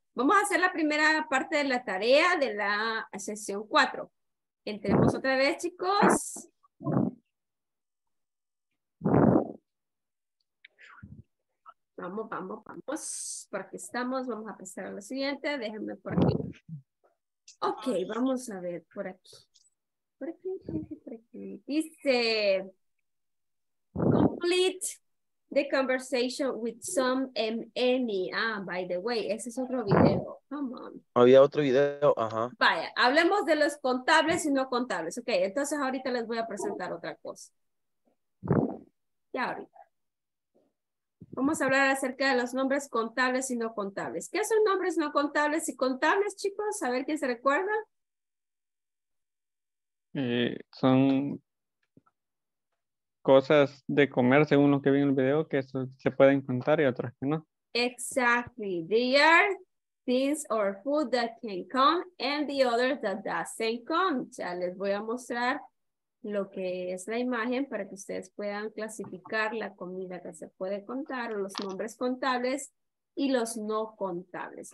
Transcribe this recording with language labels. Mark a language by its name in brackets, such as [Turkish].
[Spanish] Vamos a hacer la primera parte de la tarea de la sesión 4. Entremos otra vez, chicos. Vamos. Por aquí estamos. Vamos a pasar a lo siguiente. Déjenme por aquí. Ok, vamos a ver por aquí. Por aquí, por aquí. Dice, [English] complete the conversation with some and any. Ah, by the way, [Spanish] ese es otro video. [English] Come on. [Spanish] Había otro video, ajá. Vaya, hablemos de los contables y no contables. Ok, entonces ahorita les voy a presentar otra cosa. Ya ahorita. Vamos a hablar acerca de los nombres contables y no contables. ¿Qué son nombres no contables y contables, chicos? A ver quién se recuerda. Son cosas de comer, según lo que vi en el video, que se pueden contar y otras que no. [English] Exactly. They are things or food that can count and the others that doesn't count. [Spanish] Ya les voy a mostrar lo que es la imagen para que ustedes puedan clasificar la comida que se puede contar, los nombres contables y los no contables.